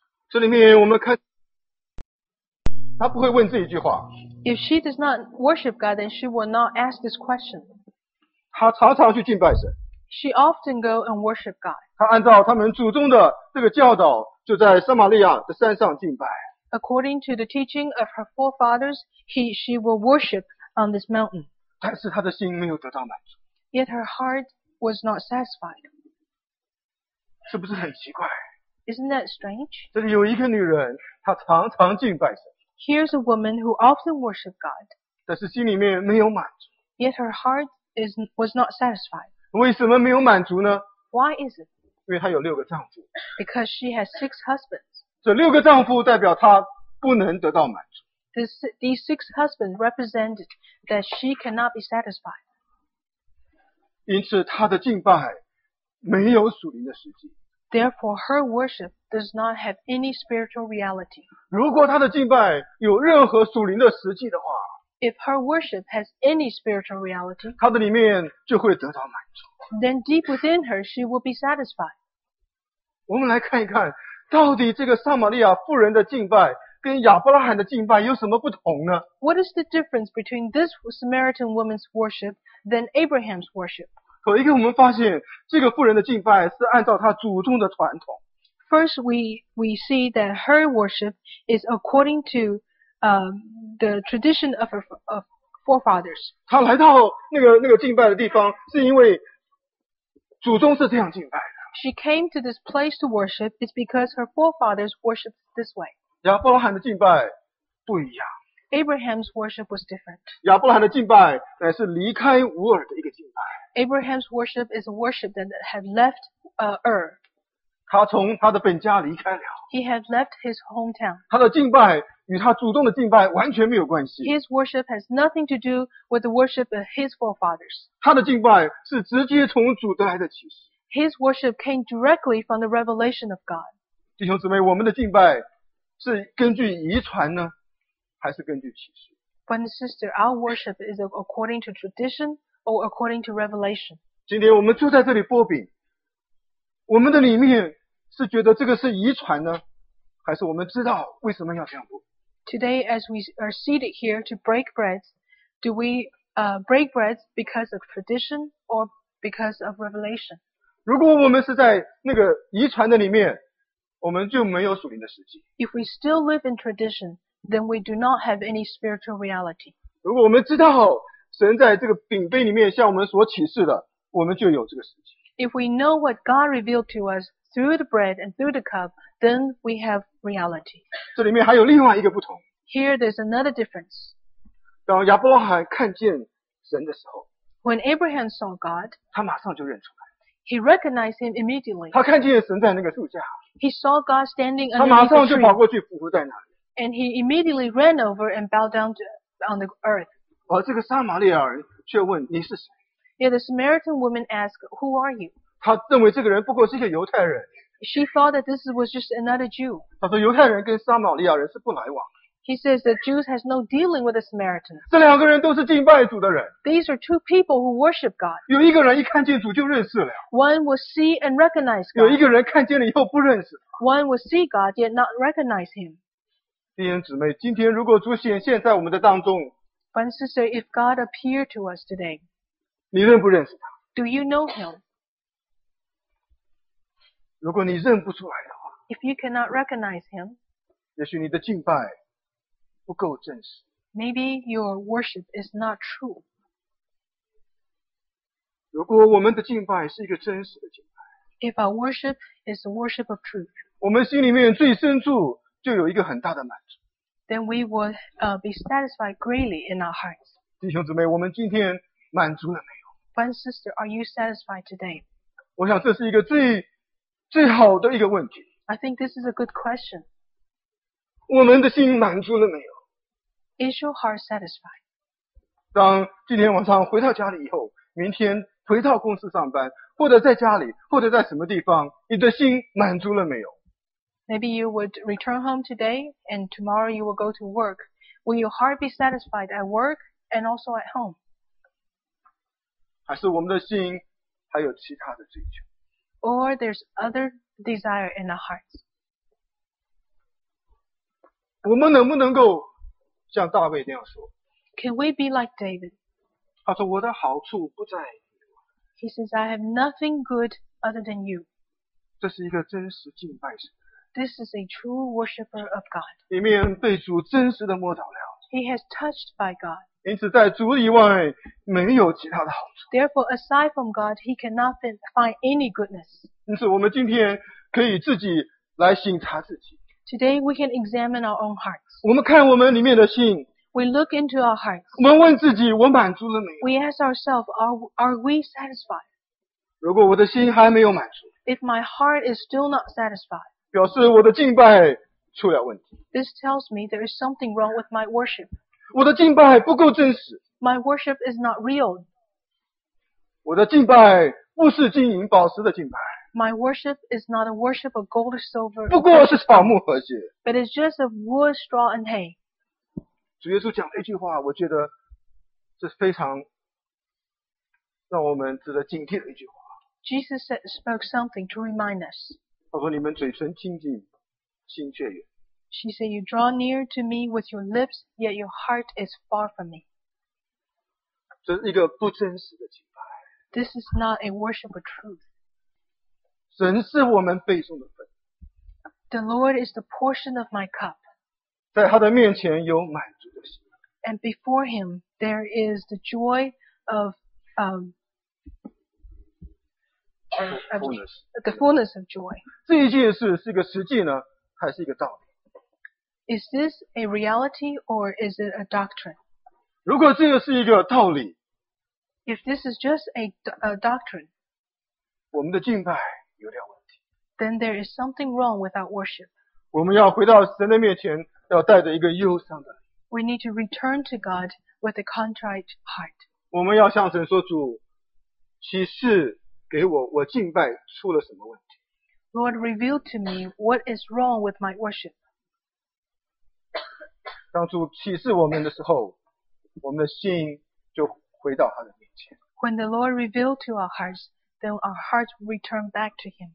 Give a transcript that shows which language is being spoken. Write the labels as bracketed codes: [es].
[zh] 这里面我们看，他不会问这一句话。 [en] If she does not worship God, then she will not ask this question. [zh] 他常常去敬拜神。 [en] She often go and worship God. [zh] 他按照他们祖宗的这个教导，就在撒玛利亚的山上敬拜。 [en] According to the teaching of her forefathers, she will worship on this mountain. [zh] 但是她的心没有得到满足。 [en] Yet her heart was not satisfied. [zh] 是不是很奇怪？ [en] Isn't that strange? [zh] 这里有一个女人，她常常敬拜神。 [en] Here's a woman who often worshiped God. [zh] 但是心里面没有满足。 [en] Yet her heart was not satisfied. [zh] 为什么没有满足呢？ [en] Why is it? [zh] 因为她有六个丈夫。 [en] Because she has six husbands. [zh] 这六个丈夫代表她不能得到满足。 [en] These six husbands represent that she cannot be satisfied. [zh] 因此她的敬拜没有属灵的实际。 [en] Therefore, her worship does not have any spiritual reality. [zh] 如果她的敬拜有任何属灵的实际的话， [en] If her worship has any spiritual reality, [zh] 她的里面就会得到满足。 [en] Then deep within her, she will be satisfied. [zh] 我们来看一看到底这个撒玛利亚妇人的敬拜跟亚伯拉罕的敬拜有什么不同呢？ [en] What is the difference between this Samaritan woman's worship than Abraham's worship? [zh] 首先我们发现这个妇人的敬拜是按照她祖宗的传统。 [en] First, we see that her worship is according to the tradition of her forefathers. [zh] 她来到那个敬拜的地方是因为祖宗是这样敬拜的。 [en] She came to this place to worship is because her forefathers worshiped this way. [zh] 亚伯拉罕的敬拜不一样。 [en] Abraham's worship was different. [zh] 亚伯拉罕的敬拜乃是离开乌尔的一个敬拜。 [en] Abraham's worship is a worship that had left Ur. [zh] 他从他的本家离开了。 [en] He had left his hometown. [zh] 他的敬拜与他祖宗的敬拜完全没有关系。 [en] His worship has nothing to do with the worship of his forefathers. [zh] 他的敬拜是直接从主得来的启示。 [en] His worship came directly from the revelation of God. [zh] 弟兄姊妹，我们的敬拜是根据遗传呢，还是根据启示？ [en] But sister, our worship is according to tradition or according to revelation. [zh] 今天我们就在这里擘饼，我们的里面是觉得这个是遗传呢，还是我们知道为什么要这样擘？ [en] Today, as we are seated here to break bread, do we break bread because of tradition or because of revelation? [zh] 如果我们是在那个遗传的里面，我们就没有属灵的实际。 [en] If we still live in tradition, then we do not have any spiritual reality. [zh] 如果我们知道神在这个饼杯里面向我们所启示的，我们就有这个实际。 [en] If we know what God revealed to us through the bread and through the cup, then we have reality. [zh] 这里面还有另外一个不同。 [en] Here there's another difference. [zh] 当亚伯拉罕看见神的时候， [en] When Abraham saw God, [zh] 他马上就认出来。 [en] He recognized him immediately. [zh] 他看见神在那个树下。 [en] He saw God standing under the tree. [zh] 他马上就跑过去匍匐在那里。 [en] And he immediately ran over and bowed down on the earth. [zh] 而这个撒玛利亚人却问你是谁。 [en] Yet the Samaritan woman asked, "Who are you?" [zh] 他认为这个人不过是一个犹太人。 [en] She thought that this was just another Jew. [zh] 他说犹太人跟撒玛利亚人是不来往。 [en] He says that Jews has no dealing with the Samaritans. [zh] 这两个人都是敬拜主的人。 [en] These are two people who worship God. [zh] 有一个人一看见主就认识了。 [en] One will see and recognize God. [zh] 有一个人看见了以后不认识。 [en] One will see God yet not recognize him. [zh] 弟兄姊妹，今天如果主显现在我们的当中， [en] But sister, if God appeared to us today, [zh] 你认不认识他？ [en] Do you know him? [zh] 如果你认不出来的话， [en] If you cannot recognize him, [zh] 也许你的敬拜不够真实。 [en] Maybe your worship is not true. [zh] 如果我们的敬拜是一个真实的敬拜， [en] If our worship is the worship of truth, [zh] 我们心里面最深处就有一个很大的满足。 [en] Then we will be satisfied greatly in our hearts. [zh] 弟兄姊妹，我们今天满足了没有？ [en] But sister, are you satisfied today? [zh] 我想这是一个最好的一个问题。 [en] I think this is a good question. [zh] 我们的心满足了没有？ [en] Is your heart satisfied? [zh] 当今天晚上回到家里以后，明天回到公司上班，或者在家里，或者在什么地方，你的心满足了没有？ [en] Maybe you would return home today, and tomorrow you will go to work. Will your heart be satisfied at work and also at home? [zh] 还是我们的心还有其他的追求？ [en] Or there's other desire in our hearts. [zh] 我们能不能够像大卫那样说？ [en] Can we be like David? [zh] 他说我的好处不在于我。 [en] He says, I have nothing good other than you. [zh] 这是一个真实敬拜神。 [en] This is a true worshipper of God. [zh] 里面被主真实地摸着了。 [en] He has touched by God. [zh] 因此在主以外没有其他的好处。 [en] Therefore, aside from God, he cannot find any goodness. [zh] 因此我们今天可以自己来省察自己。 [en] Today, we can examine our own hearts. [zh] 我们看我们里面的心。 [en] We look into our hearts. [zh] 我们问自己，我满足了没有？ [en] We ask ourselves, are we satisfied? [zh] 如果我的心还没有满足。 [en] If my heart is still not satisfied, [zh] 表示我的敬拜出了问题。 [en] This tells me there is something wrong with my worship. [zh] 我的敬拜不够真实。 [en] My worship is not real. [zh] 我的敬拜不是金银宝石的敬拜。 [en] My worship is not a worship of gold or silver. [zh] 不过是草木和秸。 [en] But it's just of wood, straw, and hay. [zh] 主耶稣讲了一句话，我觉得这是非常让我们值得警惕的一句话。 [en] Jesus spoke something to remind us. [zh] 他说你们嘴唇清净心却远。 [en] She said, you draw near to me with your lips, yet your heart is far from me. [zh] 这是一个不真实的敬拜。 [en] This is not a worship of truth. [zh] 神是我们背诵的份。 [en] The Lord is the portion of my cup. [zh] 在他的面前有满足的心。 [en] And before him, there is the joy of, the fullness of joy. [zh] 这一件事是一个实际呢，还是一个道理？ [en] Is this a reality or is it a doctrine? [zh] 如果这个是一个道理， [en] If this is just a doctrine, [zh] 我们的敬拜有点问题。 [en] Then there is something wrong with our worship. [zh] 我们要回到神的面前，要带着一个忧伤的。 [en] We need to return to God with a contrite heart. [zh] 我们要向神说，主，其实给我，我敬拜出了什么问题？ [en] Lord, reveal to me what is wrong with my worship. [zh] 当主启示我们的时候，我们的心就回到他的面前。 [en] When the Lord revealed to our hearts, then our hearts returned back to him.